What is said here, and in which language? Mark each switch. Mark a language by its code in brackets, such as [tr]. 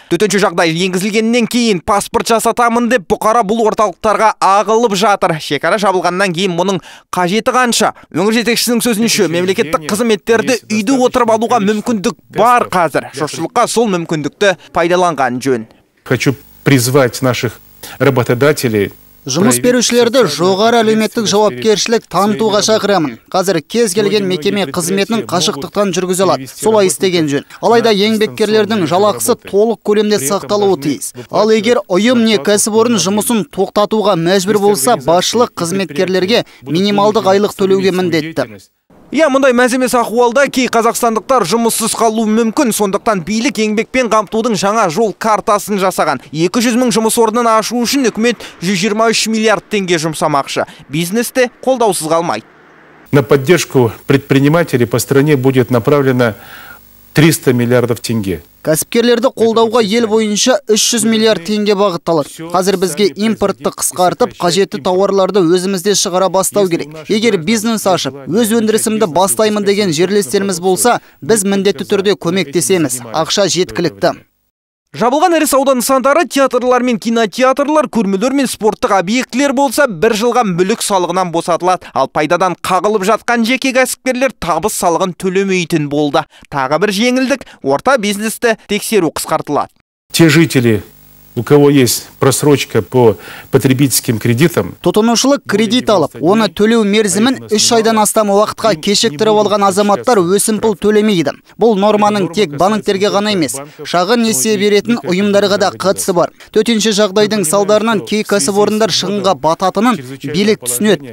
[kk] Төтенше жағдай енгізілгеннен кейін паспорт жасатамын деп бұқара бұл орталықтарға ағылып жатыр. Шекара жабылғаннан кейін мұның қажеті қанша? Өңір жетекшісінің сөзінше, мемлекеттік қызметтерді үйде отырып алуға мүмкіндік бар қазір. Жұртшылыққа сол мүмкіндікті пайдаланған жөн. [ru] Хочу призвать наших работодателей. [kk] Жұмыс берушілерді жоғары әлеуметтік жауапкершілік танытуға шақырамын. Қазір кез келген мекеме қызметінің қашықтықтан жүргізе алады. Солай істеген жөн. Алайда еңбеккерлердің жалақысы толық көлемде сақталуы тиіс. Ал егер ұйым не кәсіпорын жұмысын тоқтатуға мәжбүр болса, басшылық қызметкерлерге минималдық айлық төлеуге міндетті. Я мұндай мәземес ахуалда кей қазақстандықтар жұмыссыз қалу мүмкін, сондықтан билік еңбекпен қамтудың жаңа жол картасын жасаған. 200 мың жұмыс орнын ашу үшін үкімет 123 миллиард теңге жұмсамақшы. Бизнесте қолдаусыз қалмай. [ru] На поддержку предпринимателей по стране будет направлено 300 миллиардов теңге. [kk] Кәсіпкерлерді қолдауға ел бойынша 300 миллиард теңге бағытталады. Қазір бізге импортты қысқартып, қажетті тауарларды өзімізде шығара бастау керек. Егер бизнес ашып, өз өндірісімді бастаймын деген жерлестеріміз болса, біз міндетті түрде көмектесеміз. Ақша жеткілікті. Жабылған ірі сауда нысандары, театрлар мен кинотеатрлар, көрмелер мен спорттық объектілер болса, бір жылға мүлік салығынан босатылады. Ал пайдадан қағылып жатқан жеке кәсіпкерлер табыс салығын төлемейтін болды. Тағы бір жеңілдік, орта бизнесті тексеру қысқартылады. [ru] Те жители, у кого есть просрочка по потребительским кредитам, [kk] тұтынушылық кредит алып, оны төлеу мерзімін 3 айдан астам уақытқа кешіктіріп алған азаматтар өсімпұл төлемейді. Бұл норманың тек банктерге ғана емес, шағын несие беретін ұйымдарға да қатысы бар. Төтенше жағдайдың салдарынан кей кәсіпорындар шығынға бататынын билік түсінеді.